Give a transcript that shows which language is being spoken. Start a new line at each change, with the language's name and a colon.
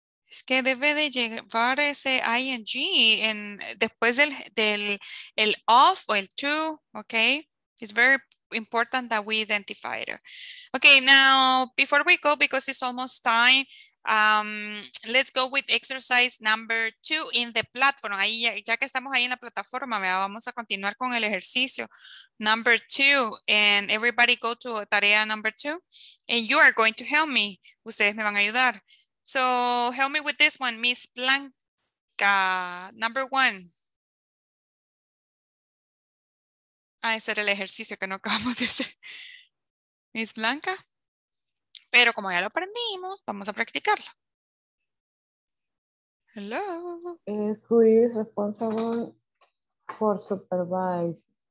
Spanish: Es que debe de llevar ese ING en, después del off o el to, ok.
English: It's very important that we identify it. Ok, now, before we go, because it's almost time, let's go with exercise number 2 in the platform.
Spanish: Ahí, ya que estamos ahí en la plataforma, ¿verdad? Vamos a continuar con el ejercicio.
English: Number 2, and everybody go to tarea number 2, and you are going to help me.
Spanish: Ustedes me van a ayudar.
English: So help me with this one, Miss Blanca, number 1.
Spanish: Ah, ese era el ejercicio que no acabamos de hacer. Miss Blanca. Pero como ya lo aprendimos, vamos a practicarlo.
English: Hello. Who is responsible for supervise?